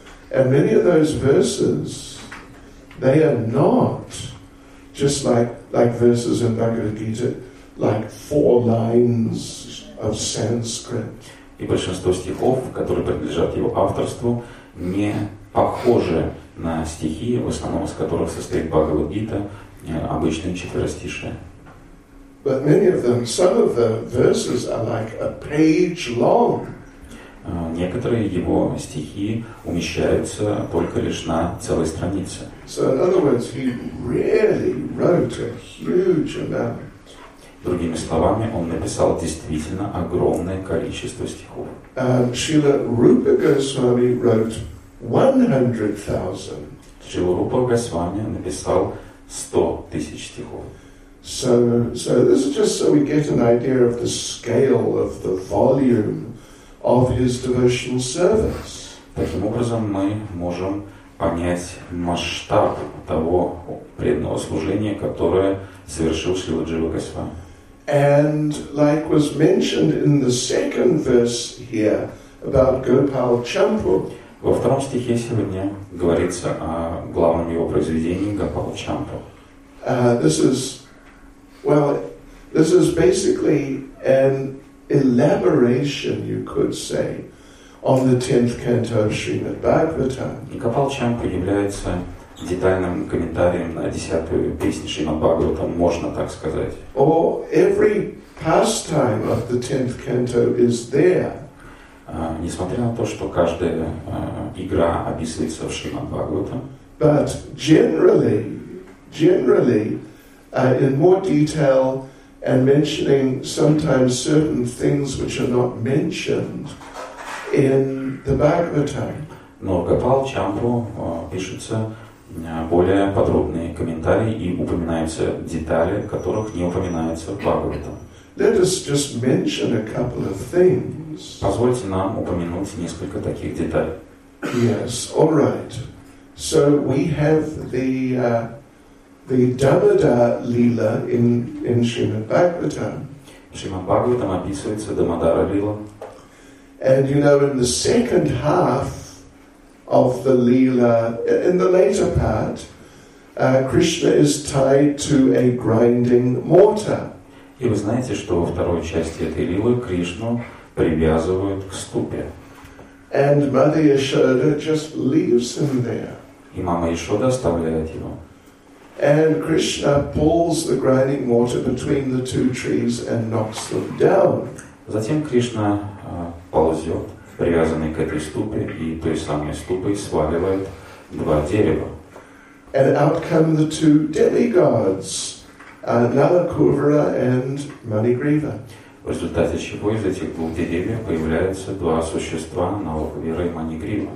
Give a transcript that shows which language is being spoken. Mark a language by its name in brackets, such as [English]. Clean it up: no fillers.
[English] And many of those verses, they are not just like verses in Bhagavad Gita, like four lines of Sanskrit. [Russian] И большинство стихов, которые принадлежат его авторству, не похожи на стихи, в основном из которых состоит Бхагавад Гита, обычные четверостишие. [English] But many of them, some of the verses are like a page long. [Russian] Некоторые его стихи умещаются только лишь на целой странице. [English] So in other words, he really wrote a huge amount. [Russian] Другими словами, он написал действительно огромное количество стихов. [English] Śrīla Rūpa Gosvāmī wrote 100,000. [Russian] Śrīla Rūpa Gosvāmī написал 100,000 стихов. [English] So this is just so we get an idea of the scale of the volume of his devotional service. [Russian] Таким образом, мы можем понять масштаб того преданного служения, которое совершил Śrīla Jīva Gosvāmī. [English] And like was mentioned in the second verse here about Gopal Champu. [Russian] Во втором стихе сегодня говорится о главном его произведении Гопал Чампу. [English] This is basically an elaboration, you could say, on the 10th canto of Srimad Bhagavatam. [Russian] И Гопал Чампу является детальным комментарием на 10-ю песню Шримад Бхагаватам, можно так сказать. [English] Or every pastime of the 10th canto is there. [Russian] несмотря на то, что каждая игра описывается в Шримад-Бхагаватам. [English] But generally, in more detail and mentioning sometimes certain things which are not mentioned in the Bhagavatam. [Russian] Но Гопал Чампу пишется более подробные комментарии и упоминаются детали, которых не упоминается в Бхагаватам. [English] Let us just mention a couple of things. [Russian] Позвольте нам упомянуть несколько таких деталей. [English] Yes, all right. So we have the Damodara Lila in Srimad Bhagavatam. [Russian] Srimad Bhagavatam описывается Дамодара Лила. [English] And you know, in the second half of the Lila, in the later part, Krishna is tied to a grinding mortar. [Russian] И вы знаете, что во второй части этой Лилы Кришну привязывают к ступе. [English] And Mother Yashoda just leaves him there. [Russian] И мама Ишода оставляет его. [English] And Krishna pulls the grinding mortar between the two trees and knocks them down. [Russian] Затем Кришна ползет, привязанный к этой ступе, и той самой ступой сваливает два дерева. [English] And out come the two demigods, Nalakuvara and Manigriva. [Russian] В результате чего из этих двух деревьев появляются два существа, Налаковера и Манигрива.